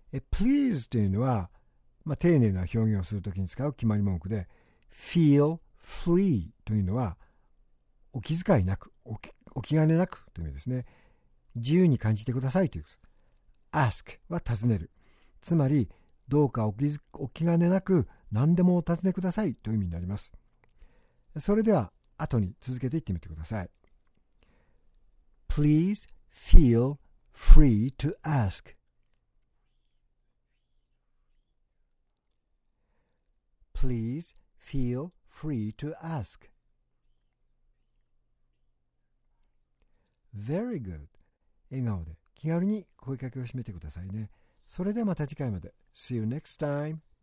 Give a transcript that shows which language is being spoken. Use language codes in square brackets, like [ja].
[ja] Please というのは、丁寧な表現をするときに使う決まり文句で、feel free というのは、お気遣いなく、お気兼ねなくという意味ですね。自由に感じてくださいということです。Ask は尋ねる。つまり、どうかお気兼ねなく何でもお尋ねくださいという意味になります。それでは、後に続けていってみてください。 [en] Please feel free to ask.Please feel free to ask.Very good. [ja] 笑顔で。気軽に声かけを締めてくださいね。それではまた次回まで。 [en] See you next time.